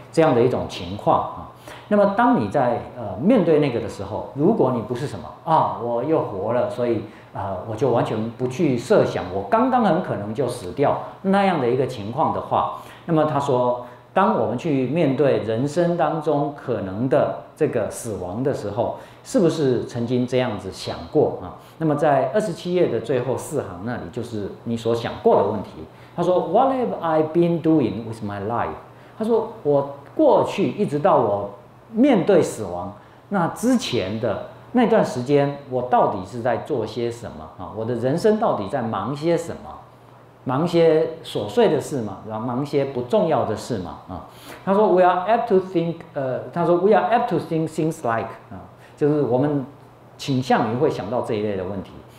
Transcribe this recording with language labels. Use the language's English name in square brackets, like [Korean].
[Chinese] 这样的一种情况啊。那么当你在面对那个的时候，如果你不是什么啊我又活了，所以我就完全不去设想我刚刚很可能就死掉那样的一个情况的话，那么他说当我们去面对人生当中可能的这个死亡的时候，是不是曾经这样子想过啊？那么在27页的最后四行那里，就是你所想过的问题。 [English] 他说 What have I been doing with my life? [Chinese] 他说我过去一直到我面对死亡那之前的那段时间，我到底是在做些什么啊？我的人生到底在忙些什么？忙些琐碎的事嘛，然后忙些不重要的事嘛，啊，他说 ， [English] we are apt to think， [Chinese] 他说 ， [English] we are apt to think things like， [Chinese] 啊，就是我们倾向于会想到这一类的问题。